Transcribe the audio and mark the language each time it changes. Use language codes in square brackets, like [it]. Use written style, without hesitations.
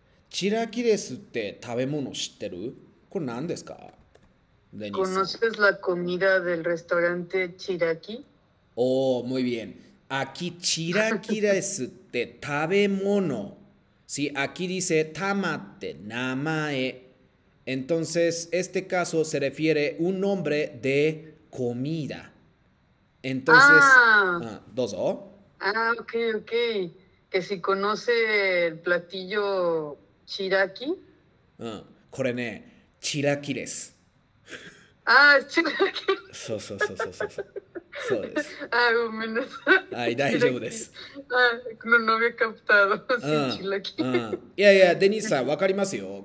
[ja] チラキレスって食べ物知ってる? これ何ですか?デニスさん。 [es] ¿Conoces la comida del restaurante Chiraki? おお、muy bien。 [ja] aquí チラキレスって食べ物。 [es] Sí, aquí dice [ja] タマって名前。 [es] Entonces, este caso se refiere un nombre de comida. Entonces, [ja] どうぞ。 [en] Okay. [es] ¿Que si conoce el platillo Chiraki? [ja] これね、チラキです。 Ah, Chiraki. そうそうそうそうそう。そうです。 Ah, ごめんなさい。大丈夫 Chiraki. です。 [es] Ah, no había captado. Sí, [ja] いやいや、デニスさん、わかりますよ。